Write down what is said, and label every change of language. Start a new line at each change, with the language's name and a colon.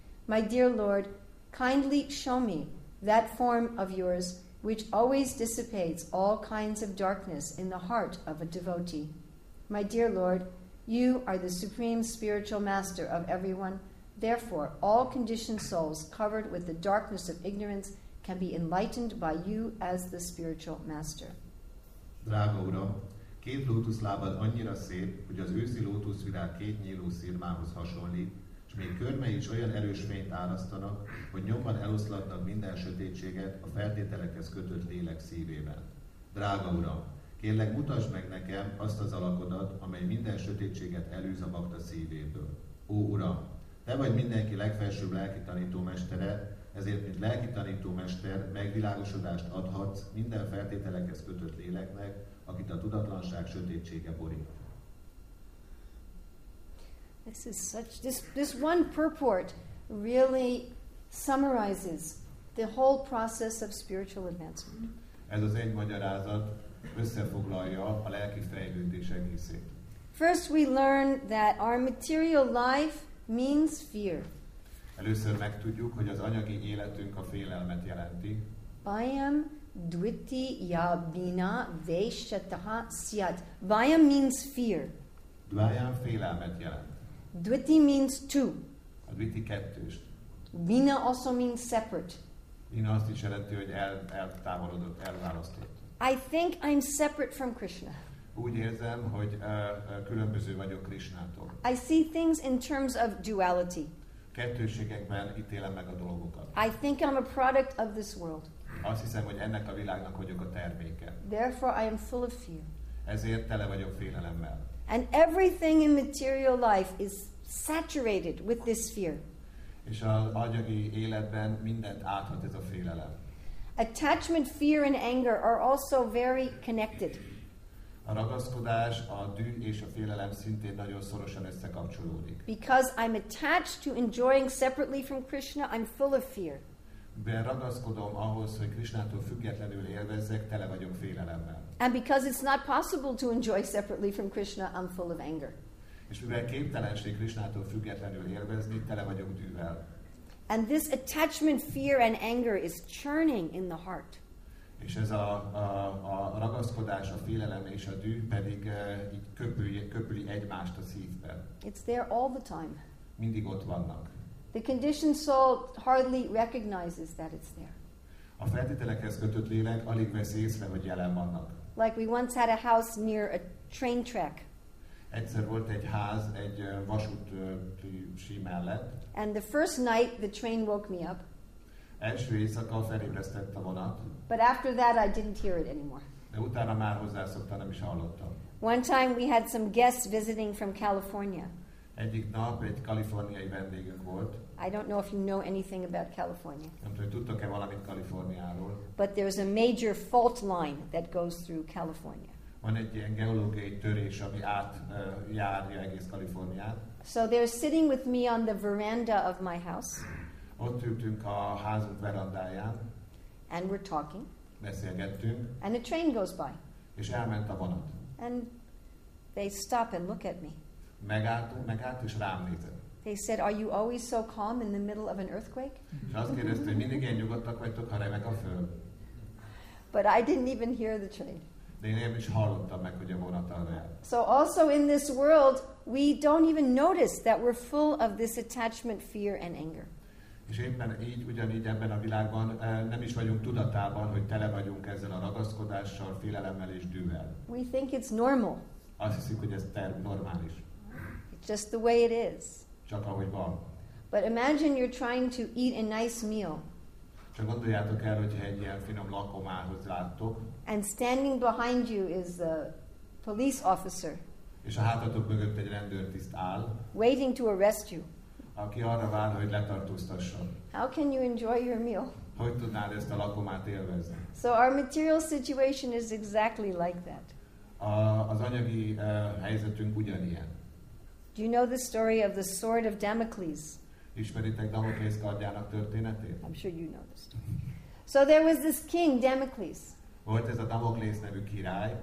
English: My dear Lord, kindly show me that form of yours which always dissipates all kinds of darkness in the heart of a devotee. My dear Lord, you are the supreme spiritual master of everyone. Therefore, all conditioned souls covered with the darkness of ignorance can be enlightened by you as the spiritual master.
Hungarian: Drága Uram, két lótuszlábad annyira szép, hogy az őszi lótuszvirág két nyíló szirmához hasonlít, s még körmei is olyan erős fényt árasztanak, hogy nyomban eloszlatnak minden sötétséget a feltételekhez kötött lélek szívében. Drága Uram, kérlek mutasd meg nekem azt az alakodat, amely minden sötétséget elűz a bakta szívéből. Ó Uram, te vagy mindenki legfelsőbb lelki tanítómestere, ezért, mint lelki tanítómester, megvilágosodást adhatsz minden feltételekhez kötött léleknek, akit a tudatlanság sötétsége borít.
English: This is such, this one purport really summarizes the whole process of spiritual advancement.
Hungarian: Ez az egy magyarázat összefoglalja a lelki fejlődés egészét.
English: First we learn that our material life means fear.
Hungarian: Először megtudjuk, hogy az anyagi életünk a félelmet jelenti.
Sanskrit: Vayam dviti ya bina veshataha syat.
English: Vayam means fear.
Hungarian: Vayam félelmet jelent.
English: Dviti means two.
Hungarian: A dviti kettőst.
English: Bina also means separate.
Hungarian: Bina azt is jelenti, hogy eltávolodott, elválasztott.
English: I think I'm separate from Krishna.
Hungarian: Úgy érzem, hogy különböző vagyok Krishnától.
English: I see things in terms of duality.
Hungarian: Kettőségekben ítélem meg a dolgokat.
English: I think I'm a product of this world.
Hungarian: Azt hiszem, hogy ennek a világnak vagyok a terméke.
English: Therefore I am full of fear.
Hungarian: Ezért tele vagyok félelemmel.
English: And everything in material life is saturated with this fear.
Hungarian: És az anyagi életben mindent áthat ez a félelem.
English: Attachment, fear and anger are also very connected.
Hungarian: A ragaszkodás, a dű és a félelem szintén nagyon szorosan összekapcsolódik.
English: Because I'm attached to enjoying separately from Krishna, I'm full of fear.
Hungarian: De ragaszkodom ahhoz, hogy Krishnától függetlenül élvezzek, tele vagyok félelemmel.
English: And because it's not possible to enjoy separately from Krishna, I'm full of anger.
Hungarian: És mivel képtelenség Krishnától függetlenül élvezni, tele vagyok dűvel.
English: And this attachment, fear and anger is churning in the heart.
Hungarian: És ez a ragaszkodás, a félelem és a dű pedig így köpüli egymást a szívben.
English: It's there all the time.
Hungarian: Mindig ott vannak.
English: The conditioned soul hardly recognizes that it's there.
Hungarian: A feltételekhez kötött lélek alig veszi észre, hogy jelen vannak.
English: Like we once had a house near a train track.
Hungarian: Egyszer volt egy ház egy vasúti mellett.
English: And the first night the train woke me up.
Hungarian: Első éjszaka felébresztett a vonat.
English: But after that I didn't hear it anymore.
Hungarian: De utána már hozzászoktam, nem is hallottam.
English: One time we had some guests visiting from California.
Hungarian: Egyik nap egy kaliforniai vendégünk volt.
English: I don't know if you know anything about California.
Hungarian: Nem tudom, tudtok-e valamit Kaliforniáról.
English: But there's a major fault line that goes through California.
Hungarian: Van egy ilyen geológiai törés, ami járja egész Kaliforniát.
English: So they're sitting with me on the veranda of my house.
Hungarian: Ott ültünk a házunk verandáján.
English: And we're talking.
Hungarian: Beszélgettünk.
English: And a train goes by.
Hungarian: És elment a vonat.
English: And they stop and look at me.
Hungarian: Megállt és rám nézett.
English: They said, are you always so calm in the middle of an earthquake?
Hungarian: És azt kérdezte, hogy mindig ilyen nyugodtak vagytok, ha remek a föld.
English: But I didn't even hear the train.
Hungarian: De én nem is hallottam meg, hogy a vonat arra jár.
English: So also in this world, we don't even notice that we're full of this attachment, fear and anger.
Hungarian: És éppen így, ugyanígy ebben a világban nem is vagyunk tudatában, hogy tele vagyunk ezzel a ragaszkodással, félelemmel és dűvel.
English: We think it's normal.
Hungarian: Azt hiszik, hogy ez normális.
English: It's just the way it is.
Hungarian: Csak ahogy van.
English: But imagine you're trying to eat a nice meal.
Hungarian: Csak gondoljátok el, hogy egy ilyen finom lakomához láttok.
English: And standing behind you is a police officer.
Hungarian: És a hátatok mögött egy rendőrtiszt áll.
English: Waiting to arrest you.
Hungarian: Aki arra vár, hogy letartóztasson.
English: How can you enjoy your meal?
Hungarian: Hogy tudnád ezt a lakomát élvezni?
English: So our material situation is exactly like that.
Hungarian: Az anyagi helyzetünk ugyanilyen.
English: Do you know the story of the sword of Damocles?
Hungarian: Ismeritek Damoklész kardjának történetét?
English: I'm sure you know the story. So there was this king, Damocles.
Hungarian: Volt ez a Damoklész nevű király.